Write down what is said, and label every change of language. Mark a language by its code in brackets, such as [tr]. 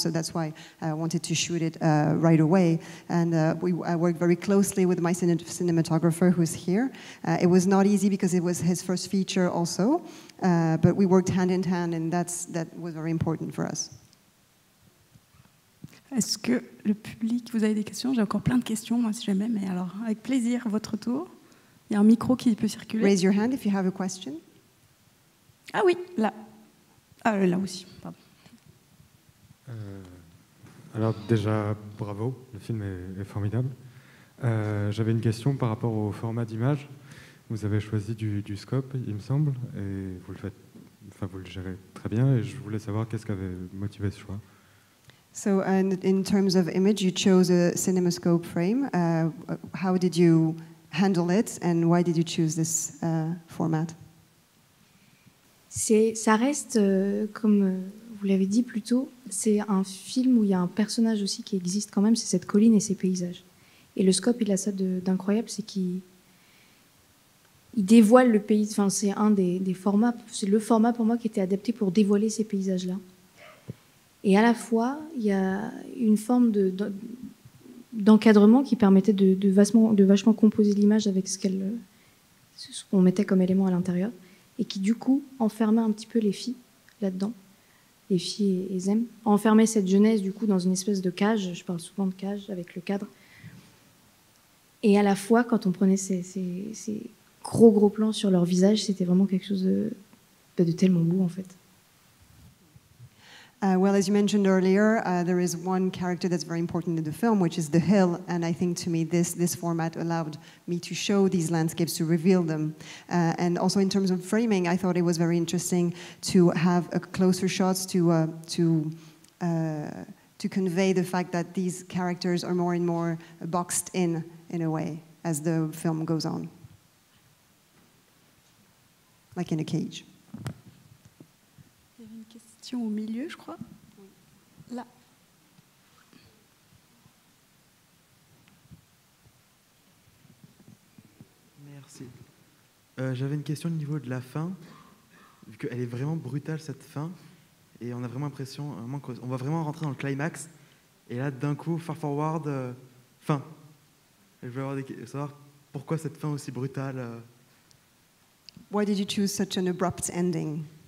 [en] So that's why I wanted to shoot it right away. And I worked very closely with my cinematographer, who's here. It was not easy because it was his first feature, also. But we worked hand in hand, and that was very important for us. [fr] Est-ce que le public, vous avez des questions? J'ai encore plein de questions, moi, si jamais, mais alors, avec plaisir, votre tour. Il y a un micro qui peut circuler. [en] Raise your hand if you have a question. [fr] Ah oui, là. Ah, là aussi, pardon. Alors, déjà, bravo, le film est formidable. J'avais une question par rapport au format d'image. Vous avez choisi du scope, il me semble, et vous le faites, enfin, vous le gérez très bien, et je voulais savoir qu'est-ce qui avait motivé ce choix. [en] So, and in terms of image, you chose a CinemaScope frame. How did you handle it, and why did you choose this format? [fr] Ça reste, comme vous l'avez dit plus tôt, c'est un film où il y a un personnage aussi qui existe quand même, c'est cette colline et ses paysages. Et le scope, il a ça d'incroyable, c'est qu'il dévoile le pays. Enfin, c'est un des formats, c'est le format pour moi qui était adapté pour dévoiler ces paysages-là. Et à la fois, il y a une forme d'encadrement qui permettait de vachement composer l'image avec ce qu'on mettait comme élément à l'intérieur, et qui du coup enfermait un petit peu les filles là-dedans, les filles et Zem, enfermait cette jeunesse du coup dans une espèce de cage, je parle souvent de cage avec le cadre, et à la fois quand on prenait ces gros plans sur leur visage, c'était vraiment quelque chose de tellement beau en fait. [en] Well, as you mentioned earlier, there is one character that's very important in the film, which is the hill. And I think to me, this format allowed me to show these landscapes, to reveal them. And also in terms of framing, I thought it was very interesting to have a closer shots to convey the fact that these characters are more and more boxed in a way, as the film goes on. Like in a cage. [fr] Au milieu, je crois. Là. Merci. J'avais une question au niveau de la fin, vu qu'elle est vraiment brutale, cette fin, et on a vraiment l'impression, on va vraiment rentrer dans le climax, et là, d'un coup, [en] far forward, [fr] fin. Et je voulais savoir pourquoi cette fin aussi brutale. [en] Why did you choose such an abrupt ending?